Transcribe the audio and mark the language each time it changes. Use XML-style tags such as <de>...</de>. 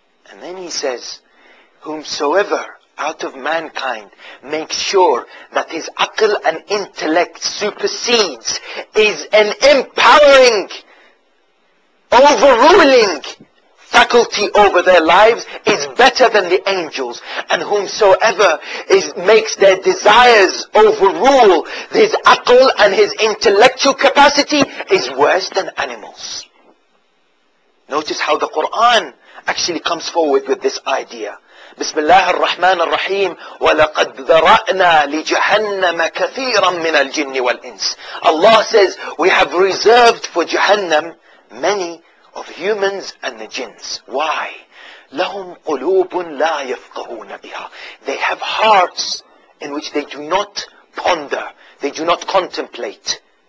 <en>And then He says, whomsoever out of mankind makes sure that his aql and intellect supersedes, is an empowering, overruling faculty over their lives, is better than the angels. And whomsoever makes their desires overrule his aql and his intellectual capacity, is worse than animals. Notice how the Quran actually comes forward with this idea.</en> <ar>بسم الله الرحمن الرحيم ولقد ذرأنا لجهنم كثيرا من الجن والإنس.</ar> <en>Allah says, we have reserved for Jahannam many of humans and the jinns. Why?</en> <ar>لهم قلوب لا يفقهون بها.</ar> <en>They have hearts in which they do not ponder, they do not contemplate.</en>